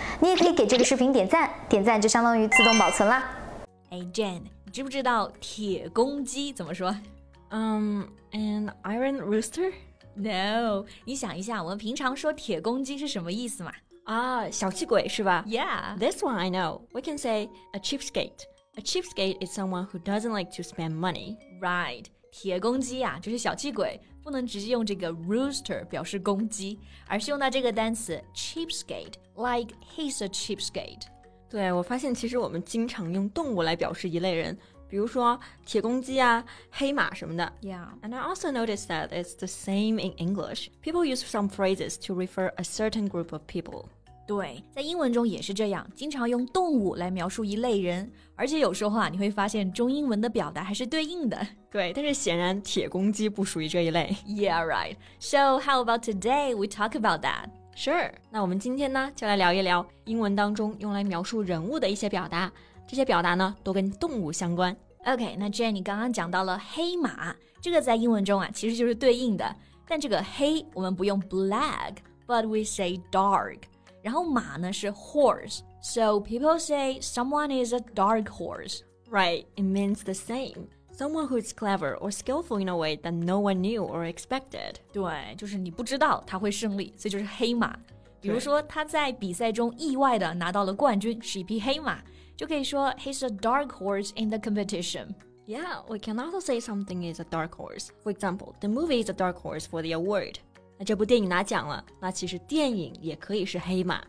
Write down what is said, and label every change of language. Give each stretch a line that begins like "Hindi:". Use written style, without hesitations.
Chinese: 你也可以给这个视频点赞，点赞就相当于自动保存啦。 Hey Jen, 你知不知道铁公鸡怎么说？
English: An iron rooster?
Chinese: No, 你想一下我们平常说铁公鸡是什么意思嘛？小气鬼是吧
English: ？Yeah, this one I know. We can say a cheapskate. A cheapskate is someone who doesn't like to spend money.
Chinese: Right, 铁公鸡啊，就是小气鬼，不能直接用这个 rooster 表示公鸡，而是用到这个单词 cheapskate,
English: like he's a cheapskate.
Chinese: 对，我发现其实我们经常用动物来表示一类人。比如说铁公鸡啊，黑马什么的。
English: Yeah. And I also noticed that it's the same in English. People use some phrases to refer a certain group of people.
Chinese: 对，在英文中也是这样，经常用动物来描述一类人。而且有时候啊，你会发现中英文的表达还是对应的。对，但是显然铁公鸡不属于这一类。
English: Yeah, right. So how about today we talk about that?
Chinese: Sure, 那我们今天呢就来聊一聊英文当中用来描述人物的一些表达，这些表达呢都跟动物相关。 OK, 那 Jen 你刚刚讲到了黑马，这个在英文中啊其实就是对应的，但这个黑我们不用 black,
English: but we say dark,
Chinese: 然后马呢是 horse,
English: so people say someone is a dark horse. Right, it means the same. Someone who is clever or skillful in a way that no one knew or expected.
Chinese: 对，就是你不知道他会胜利，所以就是黑马。比如说他在比赛中意外地拿到了冠军，是一匹黑马，就可以说
English: he's a dark horse in the competition. Yeah, we can also say something is a dark horse. For example, the movie is a dark horse for the award.
Chinese: 那这部电影拿奖了，那其实电影也可以是黑马。